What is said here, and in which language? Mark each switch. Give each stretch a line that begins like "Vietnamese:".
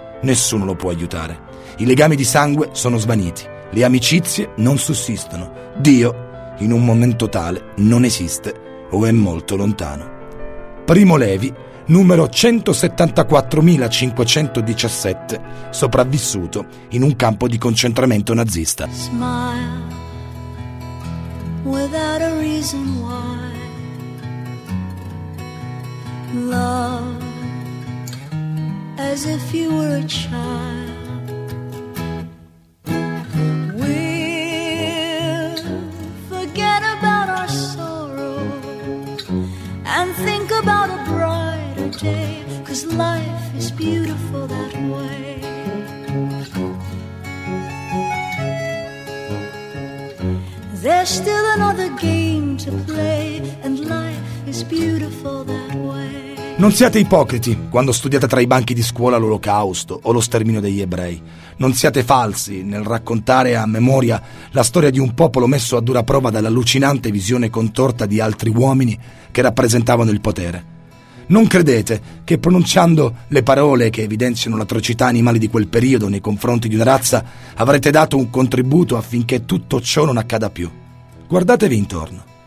Italian: Nessuno lo può aiutare. I legami di sangue sono svaniti, le amicizie non sussistono. Dio, in un momento tale, non esiste o è molto lontano. Primo Levi, numero 174.517, sopravvissuto in un campo di concentramento nazista.
English: Smile without a reason why. Love as if you were a child. We'll forget about our sorrow and think about a bride. Cause life is beautiful that way. There's still another game to play, and life is beautiful that way.
Italian: Non siate ipocriti quando studiate tra i banchi di scuola l'olocausto o lo sterminio degli ebrei. Non siate falsi nel raccontare a memoria la storia di un popolo messo a dura prova dall'allucinante visione contorta di altri uomini che rappresentavano il potere. Non credete che pronunciando le parole che evidenziano l'atrocità animale di quel periodo nei confronti di una razza avrete dato un contributo affinché tutto ciò non accada più. Guardatevi intorno.